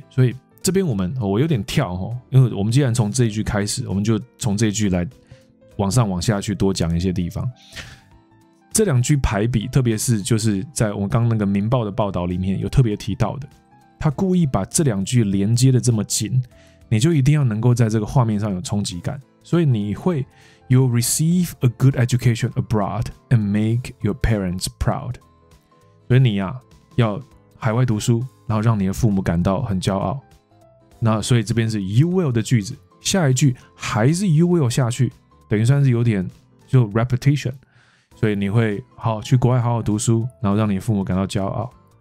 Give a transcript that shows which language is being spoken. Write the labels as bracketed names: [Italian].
[Chinese] 所以这边我有点跳齁，因为我们既然从这一句开始，我们就从这一句来往上往下去多讲一些地方。这两句排比，特别是就是在我刚那个明报的报道里面有特别提到的，他故意把这两句连接的这么紧，你就一定要能够在这个画面上有冲击感。所以你会 [English] You'll receive a good education abroad and make your parents proud。 [Chinese] 所以你啊要海外读书，然后让你的父母感到很骄傲。那所以这边是 you will 的句子，下一句还是 you will 下去，等于算是有点就 repetition。所以你会好去国外好好读书，然后让你父母感到骄傲。